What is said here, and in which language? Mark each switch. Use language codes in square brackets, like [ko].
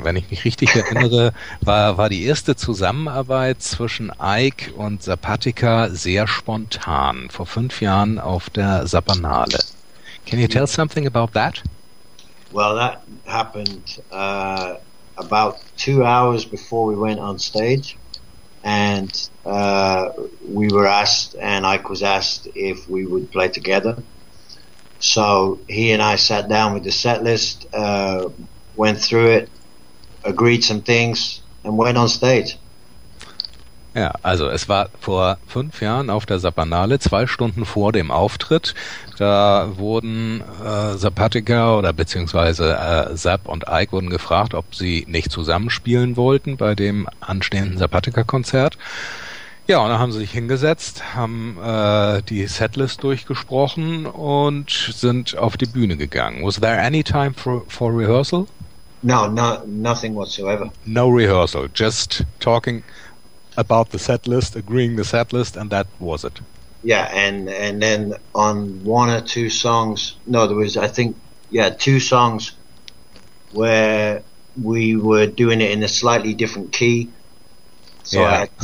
[de] Wenn ich mich richtig erinnere, war die erste Zusammenarbeit zwischen Ike und Zapatica sehr spontan, vor 5 Jahren auf der Zapanale. [en] Can you tell something about that? Well, that happened about 2 hours before we went on stage. And we were asked, and Ike was asked, if we would play together. So he and I sat down with the set list, went through it, agreed some things, and went on stage. [de] Ja, also es war vor 5 Jahren auf der Zapanale, 2 Stunden vor dem Auftritt. Da wurden Zapatica oder beziehungsweise Zap und Ike wurden gefragt, ob sie nicht zusammenspielen wollten bei dem anstehenden Zapatica-Konzert. Ja, und da haben sie sich hingesetzt, haben die Setlist durchgesprochen und sind auf die Bühne gegangen. [en] Was there any time for rehearsal? No, nothing whatsoever. No rehearsal, just talking about the set list, agreeing the set list, and that was it. Yeah, and then on one or two songs, two songs where we were doing it in a slightly different key. So yeah.